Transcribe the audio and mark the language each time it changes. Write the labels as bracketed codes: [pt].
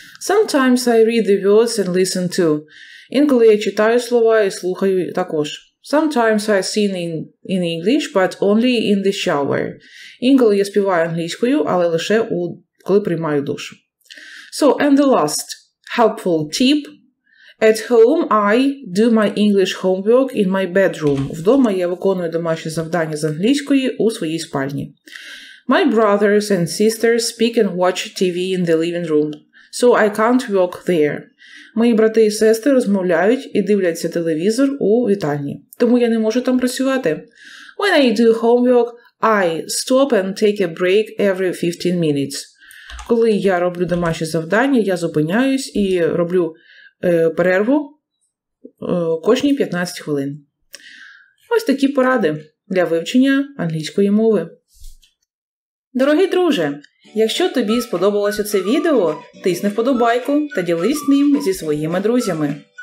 [en] Sometimes I read the words and listen too. [uk] Інколи я читаю слова і слухаю також. [en] Sometimes I sing in English, but only in the shower. [uk] Інколи я співаю англійською, але лише коли приймаю душ. [en] So, and the last helpful tip. At home I do my English homework in my bedroom. [uk] Вдома я виконую домашні завдання з англійської у своїй спальні. [en] My brothers and sisters speak and watch TV in the living room, so I can't work there. [uk] Мої брати і сестри розмовляють і дивляться телевізор у вітальні. Тому я не можу там працювати. [en] When I do homework, I stop and take a break every 15 minutes. [uk] Коли я роблю домашні завдання, я зупиняюсь і роблю перерву кожні 15 хвилин. Ось такі поради для вивчення англійської мови. Дорогі друже! Якщо тобі сподобалося це відео, тисни вподобайку та ділись ним зі своїми друзями.